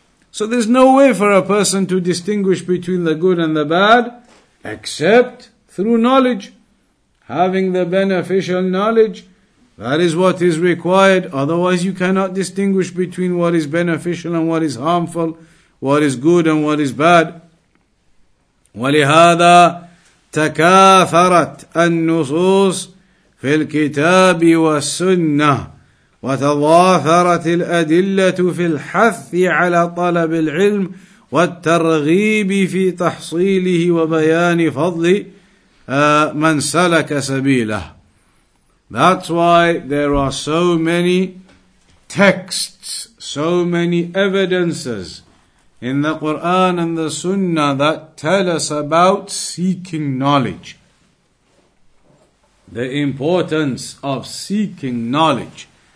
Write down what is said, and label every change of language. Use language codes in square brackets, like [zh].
[en] So there's no way for a person to distinguish between the good and the bad, except through knowledge. Having the beneficial knowledge, that is what is required. Otherwise you cannot distinguish between what is beneficial and what is harmful, what is good and what is bad. [ar] وَلِهَذَا تَكَاثَرَتْ النُّصُوصِ فِي الْكِتَابِ وَالسُّنَّةِ وتضاثرت الأدلة في الحث على طلب العلم والترغيب في تحصيله وبيان فضل من سلك سبيله. [en] That's why there are so many texts, so many evidences in the Quran and the Sunnah that tell us about seeking knowledge, the importance of seeking knowledge.